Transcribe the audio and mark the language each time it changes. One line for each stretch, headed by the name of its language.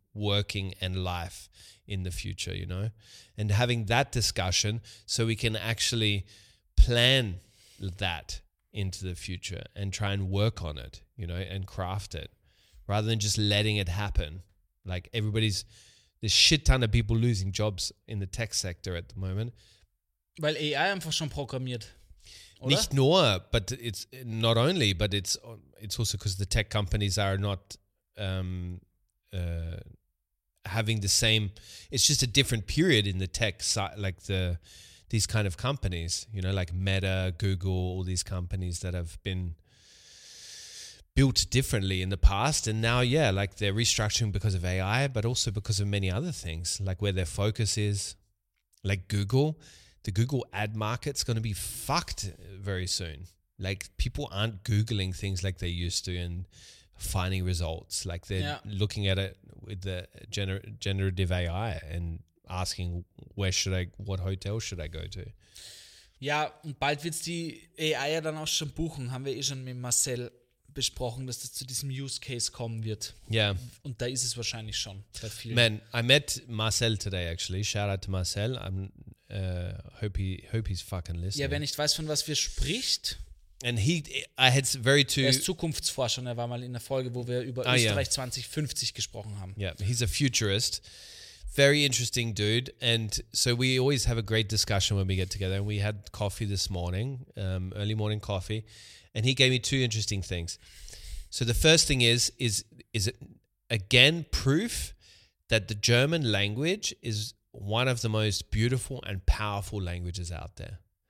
English: working and life in the future, you know, and having that discussion so we can actually plan that into the future and try and work on it, you know, and craft it rather than just letting it happen. Like everybody's, there's a shit ton of people losing jobs in the tech sector at the moment.
German: Weil AI einfach schon programmiert. Oder? Nicht nur,
English: but it's not only, but it's also because the tech companies are not having the same. It's just a different period in the tech side, like these kind of companies, you know, like Meta, Google, all these companies that have been built differently in the past, and now, yeah, like they're restructuring because of AI, but also because of many other things, like where their focus is, like Google. The Google ad market's going to be fucked very soon. Like people aren't Googling things like they used to and finding results. Like they're looking at it with the generative AI and asking, what hotel should I go to?
German: Ja, und bald wird's die AI ja dann auch schon buchen. Haben wir eh schon mit Marcel besprochen, dass das zu diesem Use Case kommen wird. Ja. Und da ist es wahrscheinlich schon.
English: Man, I met Marcel today actually. Shout out to Marcel. Hope he's fucking listening.
German: Ja, wer nicht weiß, von was wir spricht.
English: And
German: er ist Zukunftsforscher und er war mal in der Folge, wo wir über Österreich 2050 gesprochen haben.
English: Yeah, he's a futurist. Very interesting dude. And so we always have a great discussion when we get together. And we had coffee this morning, early morning coffee. And he gave me two interesting things. So the first thing is it again proof that the German language is one of the most beautiful and powerful languages out there.